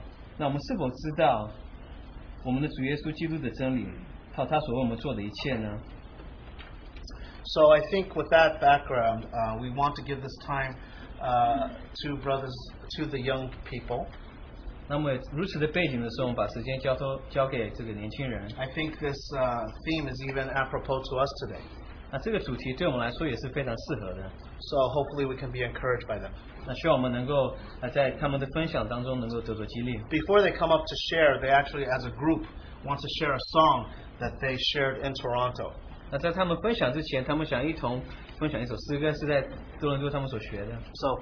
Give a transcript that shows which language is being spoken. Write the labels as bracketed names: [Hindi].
[Chinese] 但是他们这个世界所接受的是许多的这些小小的真理，那今日的世界还特别将自己形容成为一个就是真理之后的一个能称为自己为后真理的。那在面临到真理的时候，保罗问了另外两个问题，第一个问题是主你是谁？那第二个问题是主啊我当做什么？那我们是否知道？我们的主耶稣基督的真理，靠他所为我们做的一切呢？So [English] I think with that background, we want to give this time to the young people. [Chinese] 那么如此的背景的时候，我们把时间交给这个年轻人。I [English] think this theme is even apropos to us today. [Chinese] 那这个主题对我们来说也是非常适合的。So [English] hopefully we can be encouraged by them. [Chinese] 那希望我们能够在他们的分享当中能够得到激励。Before [English] they come up to share, they actually as a group want to share a song that they shared in Toronto. [Chinese] 那在他们分享之前，他们想一同分享一首诗歌，是在多伦多他们所学的。So